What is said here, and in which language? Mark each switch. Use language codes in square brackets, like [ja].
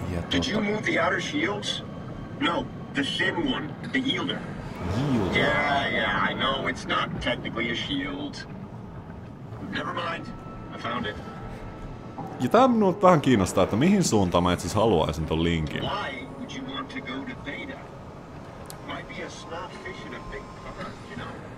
[en] Did you move the outer shields? No, the thin one, the yielder. Yielder? Yeah, I know, it's not technically a shield. Never mind, I found it. [fi] Ja tää minua vähän kiinnostaa, että mihin suuntaan mä etsis haluaisin ton linkin. [en] Why would you want to go to Beta? Might be a snap fish in a big pond, you know?